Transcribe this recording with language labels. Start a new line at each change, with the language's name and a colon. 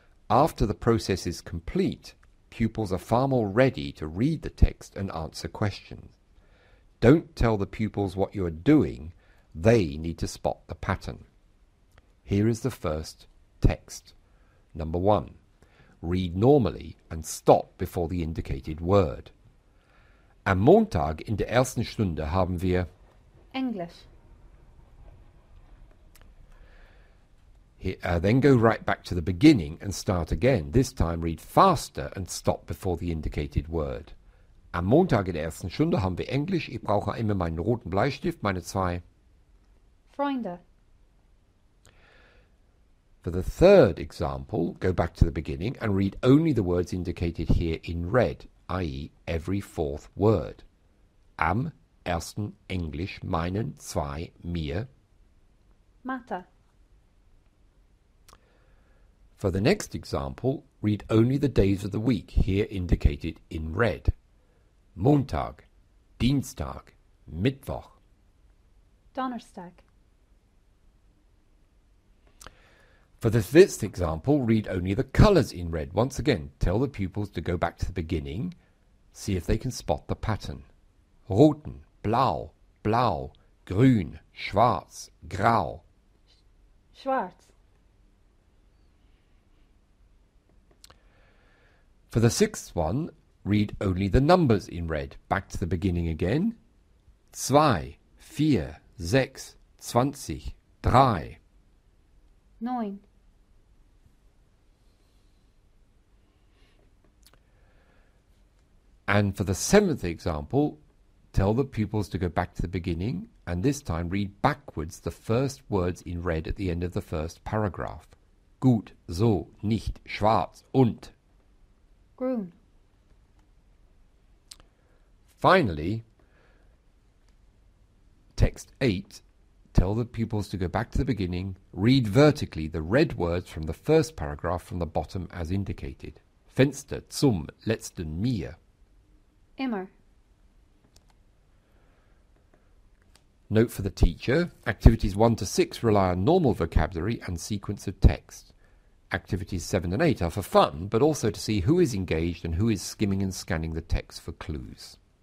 English: After the process is complete, pupils are far more ready to read the text and answer questions. Don't tell the pupils what you are doing, they need to spot the pattern. Here is the first text. Number 1. Read normally and stop before the indicated word.
German: Am Montag in der ersten Stunde haben wir Englisch.
English: Then go right back to the beginning and start again. This time read faster and stop before the indicated word.
German: Am Montag in der ersten Stunde haben wir Englisch. Ich brauche immer meinen roten Bleistift, meine 2 Freunde.
English: For the third example, go back to the beginning and read only the words indicated here in red, i.e. every 4th word.
German: Am ersten Englisch meinen 2 mir Mathe.
English: For the next example, read only the days of the week here indicated in red.
German: Montag, Dienstag, Mittwoch, Donnerstag.
English: For the fifth example, read only the colours in red. Once again, tell the pupils to go back to the beginning, see if they can spot the pattern.
German: Roten, Blau, Blau, Grün, Schwarz, Grau. Schwarz.
English: For the sixth one, read only the numbers in red. Back to the beginning again. 2, 4, 6, 20, 3. 9. And for the seventh example, tell the pupils to go back to the beginning and this time read backwards the first words in red at the end of the first paragraph.
German: Gut, so, nicht, schwarz, und. Grün.
English: Finally, text 8, tell the pupils to go back to the beginning, read vertically the red words from the first paragraph from the bottom as indicated.
German: Fenster, zum, letzten, mir. Immer.
English: Note for the teacher, activities 1 to 6 rely on normal vocabulary and sequence of text. Activities 7 and 8 are for fun, but also to see who is engaged and who is skimming and scanning the text for clues.